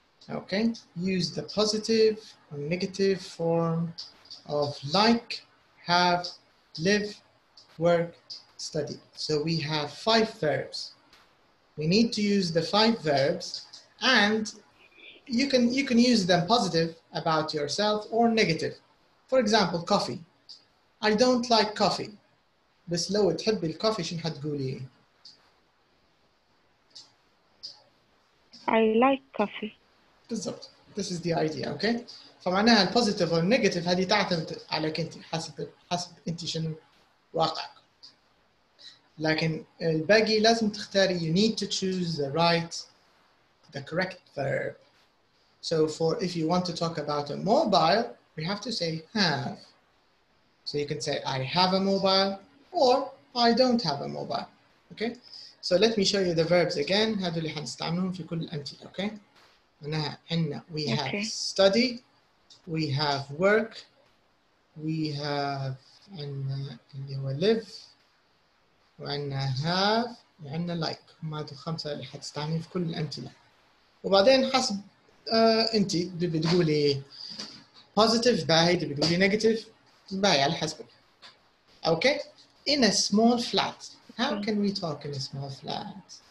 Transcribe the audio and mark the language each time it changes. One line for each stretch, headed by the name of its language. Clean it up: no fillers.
English: Okay, use the positive or negative form of like, have, live, work, study. So we have five verbs. We need to use the five verbs, and you can use them positive about yourself or negative. For example, coffee. I don't like coffee.
Arabic: بس لو تحبي الكوفي شنو حتقولي؟
English: I like coffee. بالضبط. This is the idea, okay?
Arabic: فمعناها البوزيتيف أو النيجاتيف هذه تعتمد عليك أنت حسب أنت شنو واقعك. لكن الباقي لازم تختاري
English: you need to choose the right, the correct verb. So for if you want to talk about a mobile, we have to say have. So you can say I have a mobile or I don't have a mobile. Okay? So let me show you the verbs again.
Arabic: هذول اللي حنستعملهم في كل الأمثلة.
English: Okay?
Arabic: معناها عندنا
English: we have study, we have work, we have عندنا اللي هو live, وعندنا have, وعندنا like.
Arabic: هم هذول الخمسة اللي حتستعملهم في كل الأمثلة. وبعدين حسب انت بتقولي positive باهي، بتقولي negative باهي على حسبك.
English: Okay? In a small flat. How can we talk in a small flat?